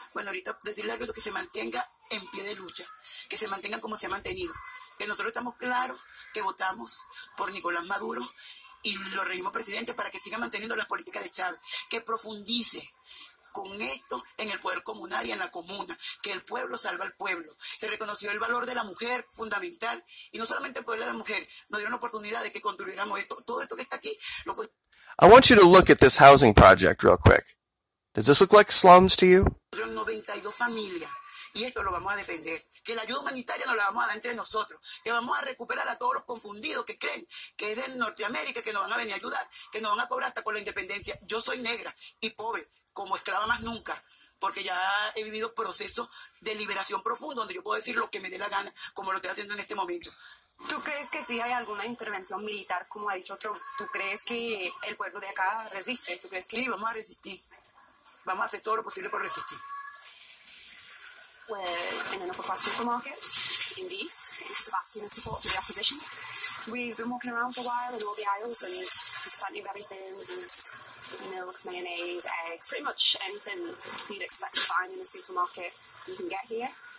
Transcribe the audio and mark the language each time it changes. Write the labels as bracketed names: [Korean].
[Spanish] Bueno, ahorita decirle algo que se mantenga en pie de lucha, que se mantenga como se ha mantenido, que nosotros estamos claros que votamos por Nicolás Maduro y los regímenes presidentes para que siga manteniendo las políticas de Chávez, que profundice con esto en el poder comunal y en la comuna, que el pueblo salva al pueblo. Se reconoció el valor de la mujer fundamental, y no solamente el poder de la mujer, nos dieron la oportunidad de que construyéramos esto, todo esto que está aquí. [English] I want you to look at this housing project real quick. Does this look like slums to you? [Spanish] 92 familias, y esto lo vamos a defender. Que la ayuda humanitaria nos la vamos a dar entre nosotros. Que vamos a recuperar a todos los confundidos que creen que es de Norteamérica, que nos van a venir a ayudar, que nos van a cobrar hasta con la independencia. Yo soy negra y pobre, como esclava más nunca, porque ya he vivido procesos de liberación profundo donde yo puedo decir lo que me dé la gana, como lo estoy haciendo en este momento. ¿Tú crees que sí hay alguna intervención militar, como ha dicho Trump? ¿Tú crees que el pueblo de acá resiste? ¿Tú crees que sí, vamos a resistir? Vamos a hacer todo lo posible por resistir. [English] We're in an upper class supermarket in the East. It's a bastion of support for the opposition. We've been walking around for a while in all the aisles, and there's plenty of everything. There's milk, mayonnaise, eggs, pretty much anything you'd expect to find in a supermarket you can get here.